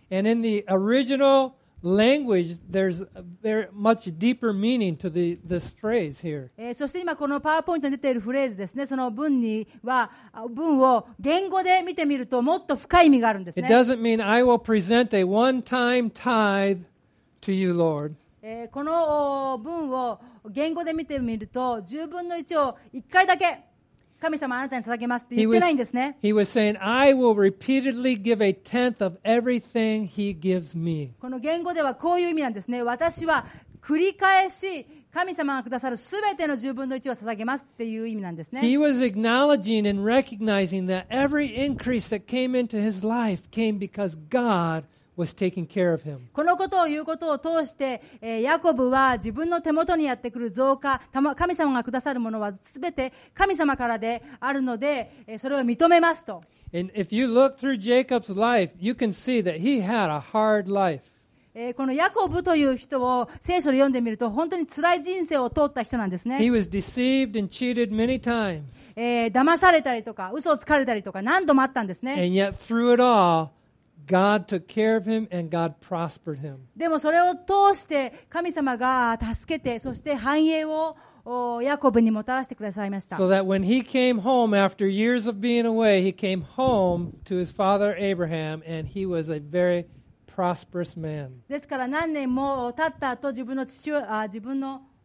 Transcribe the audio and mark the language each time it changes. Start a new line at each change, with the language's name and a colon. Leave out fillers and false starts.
English: And in the original language, there's very much deeper meaning to this phrase here.
Japanese: そして今このパワーポイントに出ているフレーズですね。その文には文を言語で見てみるともっと深い意味があるんですね。
English: It doesn't mean I will present a one-time tithe to you, Lord.
Japanese: この文を言語で見てみると十分の一を一回だけ神様あなたに捧げますって言ってないんですね。
English: He was saying, I will repeatedly give a tenth of everything he gives me.
Japanese: この言語ではこういう意味なんですね。私は繰り返し神様がくださるすべての十分の一を捧げますっていう意味なんですね。
English: He was acknowledging and recognizing that every increase that came into his life came because God was taking care of him.
Japanese: このことを言うことを通して、ヤコブは自分の手元にやってくる増加、神様がくださるものはすべて神様からであるので、それを認めますと。
English: And if you look through Jacob's life, you can see that he had a hard life.
Japanese: このヤコブという人を聖書で読んでみると、本当に辛い人生を通った人なんですね。
English: He was deceived and cheated many times.
Japanese: 騙されたりとか、嘘をつかれたりとか、何度もあったんですね。
English: And yet through it all, God took care of him and God prospered him.
Japanese: でもそれを通して神様が助けて、そして繁栄をヤコブにもたらしてくださいました。
English: So that when he came home after years of being away, he came home to his father Abraham and he was a very prosperous man.
Japanese: ですから何年も経った後、自分の父親、自分の